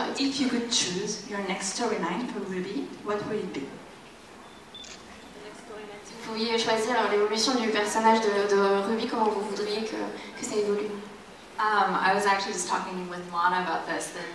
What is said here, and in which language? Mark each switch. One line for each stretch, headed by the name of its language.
English: if you could choose your next storyline for Ruby, what would it be?
French: Si vous pouviez choisir l'évolution du personnage de Ruby, comment vous voudriez que ça évolue?
English: I was actually just talking with Lana about this.